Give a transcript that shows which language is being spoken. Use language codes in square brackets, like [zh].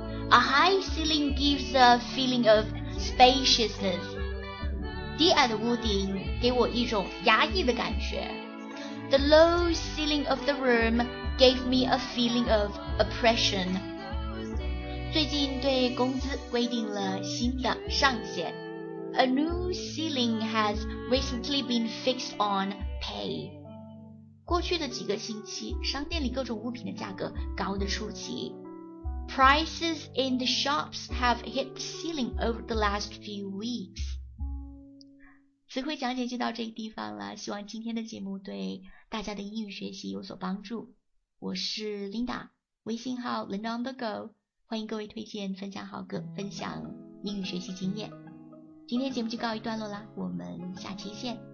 [en] A high ceiling gives a feeling of spaciousness， [zh] 低矮的屋顶给我一种压抑的感觉。 [en] The low ceiling of the room gave me a feeling of oppression。 [zh] 最近对工资规定了新的上限。 [en] A new ceiling has recently been fixed on pay。 [zh] 过去的几个星期，商店里各种物品的价格高得出奇。 [en] Prices in the shops have hit the ceiling over the last few weeks。 [zh] 词汇讲解就到这个地方了，希望今天的节目对大家的英语学习有所帮助。我是 Linda， 微信号 Linda on the go， 欢迎各位推荐分享好歌，分享英语学习经验。今天节目就告一段落了，我们下期见。